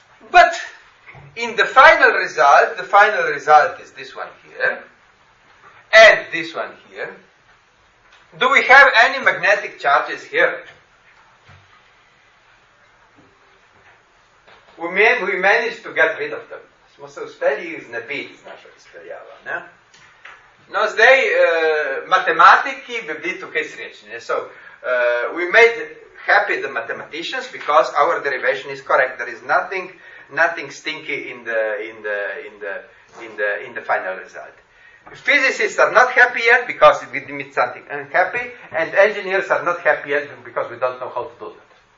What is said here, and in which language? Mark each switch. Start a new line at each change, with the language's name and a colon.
English: But in the final result is this one here, and this one here. Do we have any magnetic charges here? We managed to get rid of them.
Slovenian: Smo se uspeli jih znebiti z našo izpeljavo. Ne? No, zdaj, matematiki bi bili tukaj srečni.
English: So, we made happy the mathematicians because our derivation is correct. There is nothing stinky in the final result. Physicists are not happy yet because we did something unhappy, and engineers are not happy yet because we don't know how to do that.